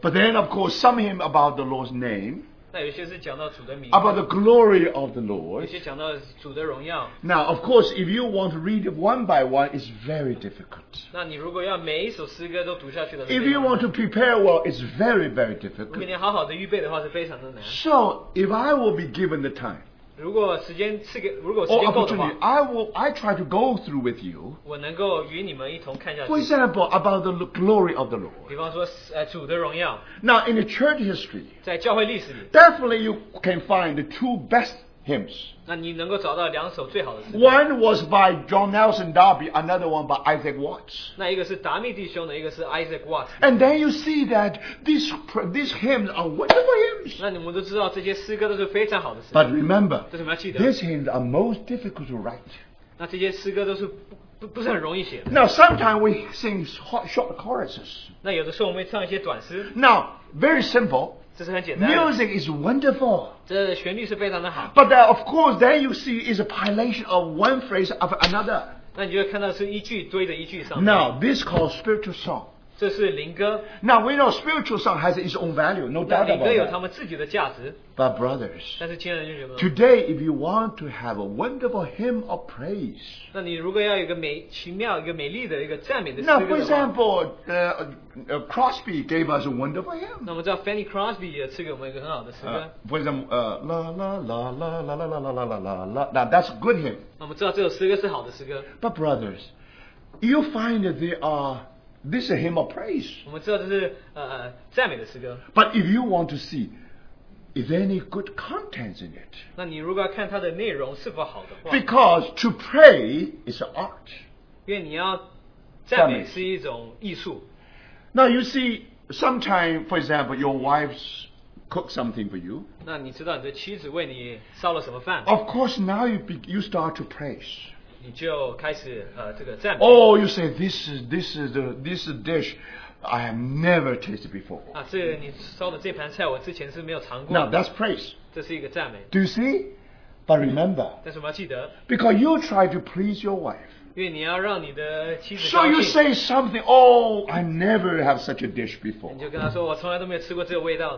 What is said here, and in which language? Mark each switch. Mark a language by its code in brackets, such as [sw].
[en] But then, of course, some hymn about the Lord's name, [zh] 那有些是讲到主的名, [en] about the glory of the Lord. [zh] 有些讲到主的荣耀. [en] Now, of course, if you want to read it one by one, it's very difficult. [zh] 那你如果要每一首诗歌都读下去的, [en] if you want to prepare well, it's very, very difficult. [zh] 如果你好好的预备的话是非常的难. [en] So, if I will be given the time, [zh] 如果时间够的话, [en] or opportunity, I try to go through with you, [zh] 我能够与你们一同看下去, [en] for example, about the glory of the Lord. [zh] 比方说, 主的荣耀. [en] Now, in the church history, [zh] 在教会历史里, [en] definitely you can find the two best hymns. [zh] 那你能够找到两首最好的诗歌. [en] One was by John Nelson Darby, another one by Isaac Watts. [zh] 那一个是达密弟兄的, 一个是Isaac Watts. [en] And then you see that these hymns are wonderful hymns. [zh] 那你们都知道这些诗歌都是非常好的诗歌. [en] But remember, [zh] 这是什么要记得? [en] These hymns are most difficult to write. [zh] 那这些诗歌都是不是很容易写的. [en] Now sometimes we sing short choruses. [zh] 那有的时候我们会唱一些短诗. [en] Now, very simple. [zh] 这是很简单的. [en] Music is wonderful. [zh] 这旋律是非常的好. [en] But then, of course, there you see is a pilation of one phrase of another. [zh] 那你就会看到是一句堆着一句上面. [en] Now, this is called spiritual song. [zh] 这是灵歌. [en] Now we know spiritual song has its own value, no doubt about it. But brothers, [zh] 但是亲爱的弟兄们, [en] today if you want to have a wonderful hymn of praise, [zh] 那你如果要有一个美丽的一个赞美的, [en] now for example, Crosby gave us a wonderful hymn. [zh] 那我们知道 Fanny Crosby 也赐给我们一个很好的诗歌. [en] For example, la la la la la la la la la la la. Now that's a good hymn. [zh] 那我们知道这首诗歌是好的诗歌. [en] But brothers, you find that there are this is a hymn of praise. [zh] 我们知道这是, 赞美的诗歌. [en] But if you want to see, is there any good contents in it? [zh] 那你如果要看它的内容是否好的话, [en] because to pray is an art. [zh] 因为你要赞美是一种艺术. [en] Now you see, sometime, for example, your wife's cook something for you. [zh] 那你知道你的妻子为你烧了什么饭? [en] Of course, now you start to praise. [zh] 你就开始, [en] oh, you say this is the dish I have never tasted before. [zh] 啊,这你烧的这盘菜我之前是没有尝过。 [en] Now that's praise. [zh] 这是一个赞美。 [en] Do you see? But remember. [zh] 但是我们要记得, [en] because you try to please your wife. [zh] 因为你要让你的妻子高兴, [en] so you say something, oh, I never have such a dish before. [zh] 你就跟他说我从来都没有吃过这个味道的。